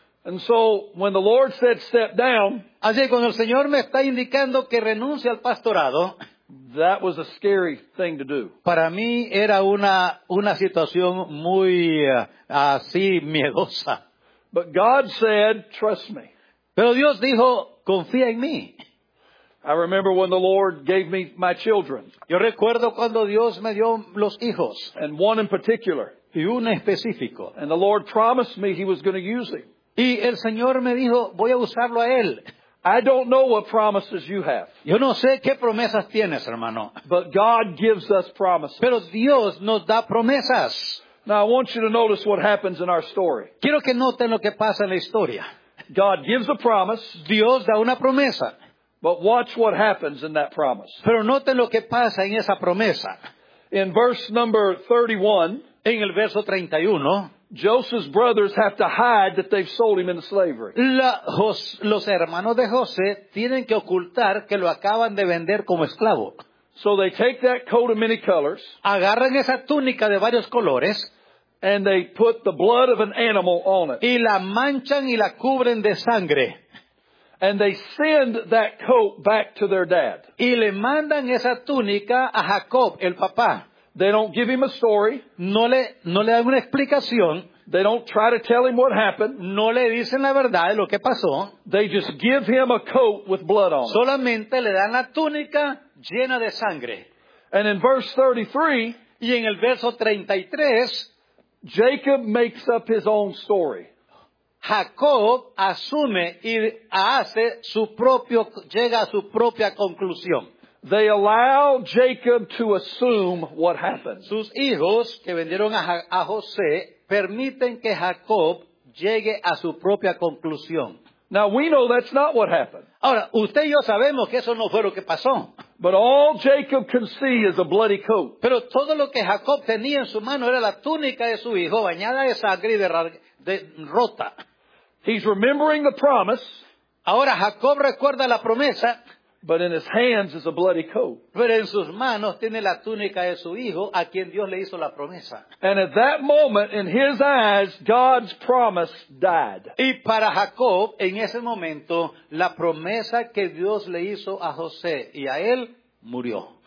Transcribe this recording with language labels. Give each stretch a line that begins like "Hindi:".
English: And so when the Lord said step down,
Spanish: así cuando el Señor me está indicando que renuncie al pastorado,
English: that was a scary thing to do.
Spanish: Para mí era una situación muy así miedosa.
English: But God said, trust me.
Spanish: Pero Dios dijo, confía en mí.
English: I remember when the Lord gave me my children.
Spanish: Yo recuerdo cuando Dios me dio los hijos.
English: And one in particular.
Spanish: Y un específico.
English: And the Lord promised me He was going to use him.
Spanish: Y el Señor me dijo, voy a usarlo a él.
English: I don't know what promises you have.
Spanish: Yo no sé qué promesas tienes, hermano.
English: But God gives us promises.
Spanish: Pero Dios nos da promesas.
English: Now I want you to notice what happens in our story.
Spanish: Quiero que noten lo que pasa en la historia.
English: God gives a promise.
Spanish: Dios da una promesa.
English: But watch what happens in that promise.
Spanish: Pero noten lo que pasa en esa promesa.
English: In verse number 31,
Spanish: en el verso 31,
English: Joseph's brothers have to hide that they've sold him into slavery.
Spanish: Los hermanos de José tienen que ocultar que lo acaban de vender como esclavo.
English: So they take that coat of many colors.
Spanish: Agarran esa túnica de varios colores.
English: And they put the blood of an animal on it.
Spanish: Y la manchan y la cubren de sangre.
English: And they send that coat back to their dad.
Spanish: Y le mandan esa túnica a Jacob, el papá.
English: They don't give him a story.
Spanish: No le dan una explicación.
English: They don't try to tell him what happened.
Spanish: No le dicen la verdad de lo que pasó.
English: They just give him a coat with blood on it.
Spanish: Solamente le dan la túnica llena de sangre.
English: And in verse 33,
Spanish: y en el verso 33,
English: Jacob makes up his own story.
Spanish: Jacob asume y hace su propio, llega a su propia conclusión.
English: They allow Jacob to assume what happened.
Spanish: Sus hijos que vendieron a José permiten que Jacob llegue a su propia conclusión.
English: Now we know that's not what happened.
Spanish: Ahora, usted y yo sabemos que eso no fue lo que pasó.
English: But all Jacob can see is a bloody coat.
Spanish: Pero todo lo que Jacob tenía en su mano era la túnica de su hijo bañada de sangre y de rota.
English: He's remembering the promise.
Spanish: Ahora Jacob recuerda la promesa.
English: But in his hands is a bloody coat.
Spanish: Pero en sus manos tiene la túnica de su hijo a quien Dios le hizo la promesa.
English: And at that moment, in his eyes, God's promise died.
Spanish: Y para Jacob, en ese momento, la promesa que Dios le hizo a José y a él murió.